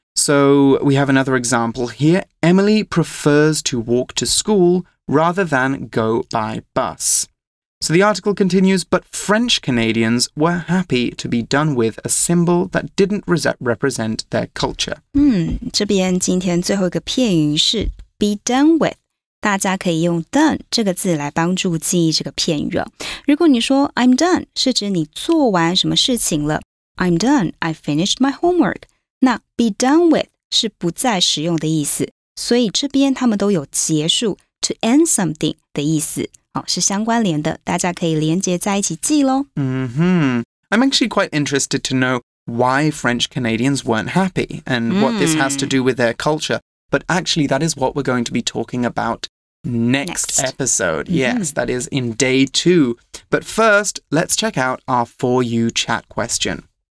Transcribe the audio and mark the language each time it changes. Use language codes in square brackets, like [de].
[en] So we have another example here. Emily prefers to walk to school rather than go by bus. So the article continues, but French Canadians were happy to be done with a symbol that didn't represent their culture. [zh] 这边今天最后一个片语是 be done with. 大家可以用 done 这个字来帮助记忆这个片语。如果你说 [en] I'm done, [zh] 是指你做完什么事情了。 [en] I'm done, I finished my homework. [zh] 那 be done with 是不再使用的意思。所以这边他们都有结束 [en] to end something [zh] 的意思。是相关联的，大家可以连接在一起记咯。 Mm-hmm. [en] I'm actually quite interested to know why French Canadians weren't happy and what this has to do with their culture. But actually, that is what we're going to be talking about next episode. Yes, mm-hmm. that is in day two. But first, let's check out our For You chat question.